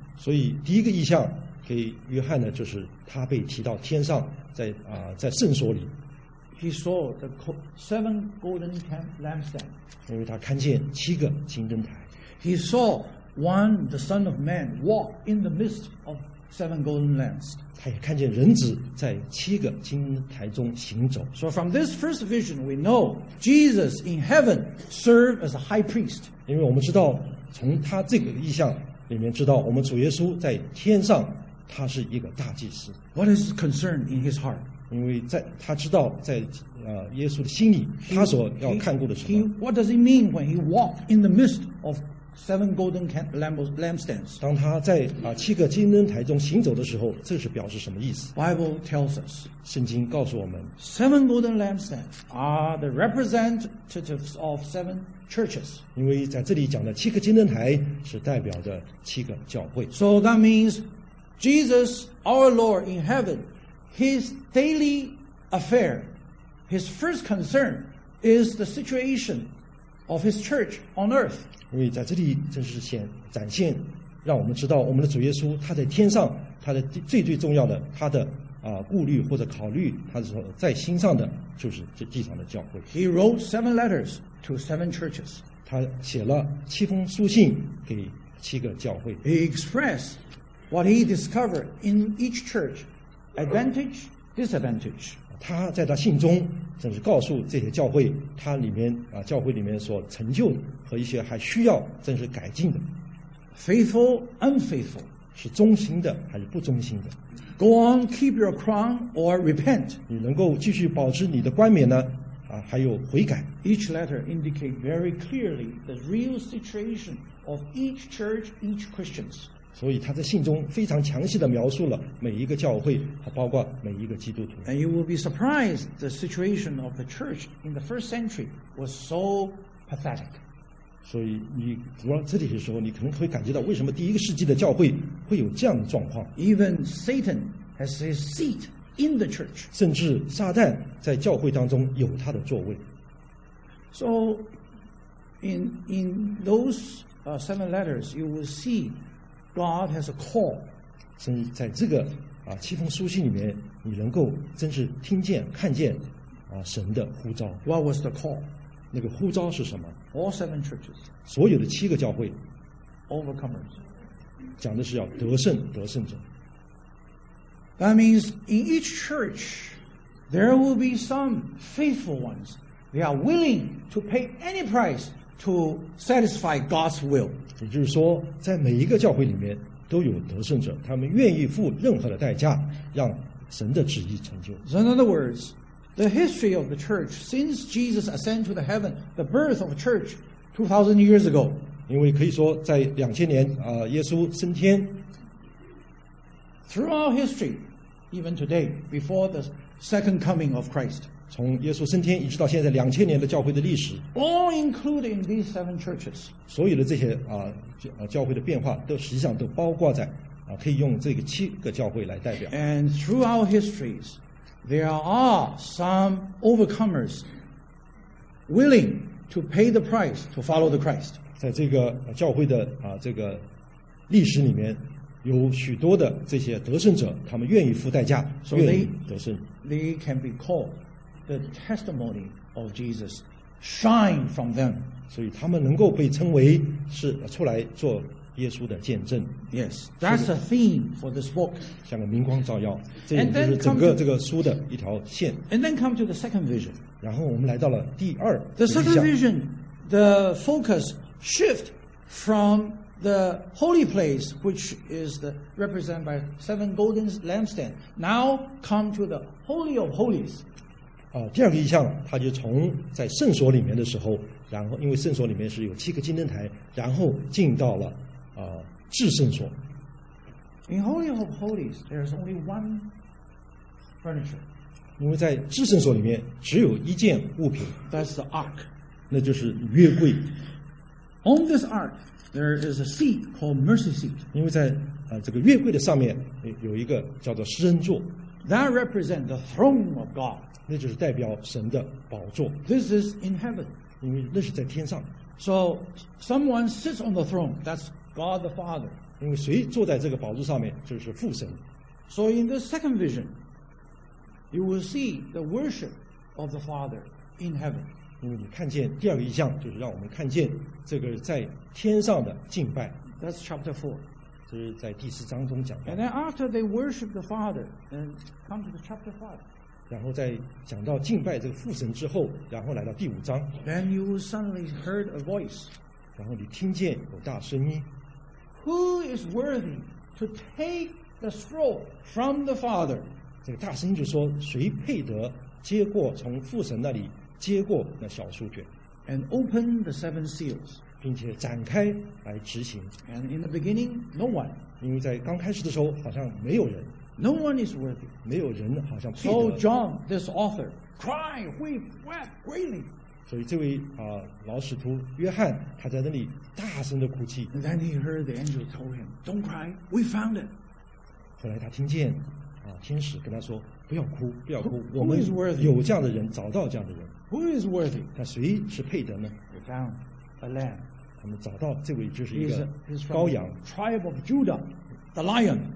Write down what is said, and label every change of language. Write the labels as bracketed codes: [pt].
[zh] 所以第一个意象给约翰呢，就是他被提到天上，在圣所里。 [en] He saw the seven golden lampstands. [zh] 因为他看见七个金灯台。 [en] He saw one, the Son of Man, walk in the midst of seven golden lamps. [zh] 他也看见人子在七个金台中行走。 [en] So from this first vision, we know Jesus in heaven served as a high priest. [zh] 因为我们知道，从他这个意象里面知道，我们主耶稣在天上，他是一个大祭司。 [en] What is concern in his heart? [zh] 因为他知道在耶稣的心里，他所要看顾的是什么。 [en] What does he mean when he walked in the midst of seven golden lampstands? [zh] 当他在七个金灯台中行走的时候，这是表示什么意思 [en] ？Bible tells us. [zh] 圣经告诉我们 [en] ，seven golden lampstands are the representatives of seven churches. [zh] 因为在这里讲的七个金灯台是代表着七个教会。 [en] So that means Jesus, our Lord in heaven. His daily affair, his first concern is the situation of his church on earth. [zh] 因为在这里正是展现，让我们知道我们的主耶稣他在天上，他的最最重要的他的顾虑或者考虑，他是说在心上的就是这地上的教会。 [en] He wrote seven letters to seven churches. [zh] 他写了七封书信给七个教会。 [en] He expressed what he discovered in each church. Advantage, disadvantage. [zh] 他在他信中正是告诉这些教会，他里面教会里面所成就的和一些还需要正是改进的。 [en] Faithful, unfaithful. [zh] 是忠心的还是不忠心的 [en] ？Go on, keep your crown or repent. [zh] 你能够继续保持你的冠冕呢？还有悔改。 [en] Each letter indicates very clearly the real situation of each church, each Christians. [zh] 所以他在信中非常详细地描述了每一个教会，包括每一个基督徒。 [en] And you will be surprised the situation of the church in the first century was so pathetic. [zh] 所以你读到这里的时候，你可能会感觉到为什么第一个世纪的教会会有这样的状况。 [en] Even Satan has his seat in the church. [zh] 甚至撒旦在教会当中有他的座位。 [en] So in those seven letters, you will see. God has a call. [zh] 甚至在这个七封书信里面，你能够真是听见、看见神的呼召。 [en] What was the call? [zh] 那个呼召是什么 [en] ？All seven churches. [zh] 所有的七个教会。 [en] Overcomers. [zh] 讲的是要得胜，得胜者。 [en] That means in each church, there will be some faithful ones. They are willing to pay any price to satisfy God's will. [zh] 也就是说，在每一个教会里面都有得胜者，他们愿意付任何的代价，让神的旨意成就。 [en] In other words, the history of the church since Jesus ascended to the heaven, the birth of the church 2,000 years ago. [zh] 因为可以说，在2000年耶稣升天。 [en] Throughout history, even today, before the second coming of Christ. [zh] 从耶稣升天一直到现在2000年的教会的历史 [en] ，all including these seven churches， [zh] 所有的这些教会的变化都实际上都包括在可以用这个七个教会来代表。 [en] And throughout histories, there are some overcomers willing to pay the price to follow the Christ。 [zh] 在这个教会的这个历史里面，有许多的这些得胜者，他们愿意付代价，愿意得胜。 [en] They can be called. The testimony of Jesus shine from them. [zh] 所以他们能够被称为是出来做耶稣的见证。 [en] Yes, that's a theme for this book. [zh] 像个明光照耀，这就是整个这个书的一条线。 [en] And then come to the second vision. [zh] 然后我们来到了第二。 [en] The second vision, the focus shift from the holy place, which is represented by seven golden lampstands, now come to the holy of holies. [zh] 第二个意象，他就从在圣所里面的时候，然后因为圣所里面是有七个金灯台，然后进到了至圣所。 [en] In Holy of Holies, there is only one furniture. [zh] 因为在至圣所里面只有一件物品。 [en] That's the ark. [zh] 那就是约柜。 [en] On this ark, there is a seat called mercy seat. [zh] 因为在这个约柜的上面有一个叫做施恩座。 [en] That represents the throne of God. [zh] 那就是代表神的宝座。 [en] This is in heaven. [zh] 因为那是在天上。 [en] So someone sits on the throne. That's God the Father. [zh] 因为谁坐在这个宝座上面，就是父神。 [en] So in the second vision, you will see the worship of the Father in heaven. [zh] 因为你看见第二个意象，就是让我们看见这个在天上的敬拜。 [en] That's chapter four. [zh] 这是在第四章中讲到。 [en] And then after they worship the Father, then come to the chapter five. [zh] 然后在讲到敬拜这个父神之后，然后来到第五章。 [en] Then you suddenly heard a voice. [zh] 然后你听见有大声音。 [en] Who is worthy to take the scroll from the Father? [zh] 这个大声音就说，谁配得接过从父神那里接过那小书卷 [en] ？And open the seven seals. [zh] 并且展开来执行。 [en] And in the beginning, no one. [zh] 因为在刚开始的时候，好像没有人。 [en] No one is worthy. [zh] 没有人好像配得。 [en] So John, this author, cried, wept greatly. [zh] 所以这位啊老使徒约翰，他在那里大声的哭泣。 [en] Then he heard the angel told him, "Don't cry. We found it." [zh] 后来他听见啊天使跟他说，不要哭，不要哭。 [en] Who is worthy? [zh] 有这样的人，找到这样的人。 [en] Who is worthy? [zh] 那谁是配得呢 [en] ？They found a lamb. [zh] 他们找到这位就是一个羔羊。 [en] Tribe of Judah, the lion.